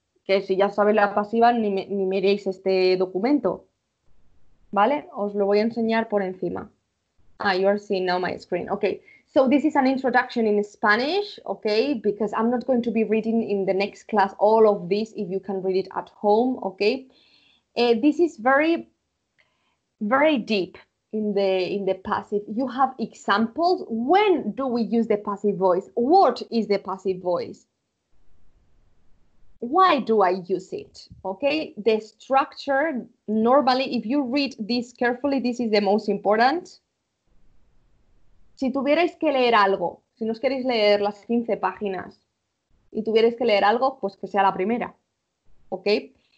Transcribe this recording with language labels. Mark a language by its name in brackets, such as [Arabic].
[Spanish] Que si ya sabéis la pasiva, ni miréis este documento, ¿vale? Os lo voy a enseñar por encima. [English] Ah, you are seeing now my screen. Okay, so this is an introduction in Spanish, okay? Because I'm not going to be reading in the next class all of this, if you can read it at home, okay? This is very, very deep in the passive. You have examples. When do we use the passive voice? What is the passive voice? Why do I use it? Okay, the structure, normally, if you read this carefully, this is the most important. [Spanish] Si tuvierais que leer algo, si nos queréis leer las 15 páginas y tuvierais que leer algo, pues que sea la primera. Okay.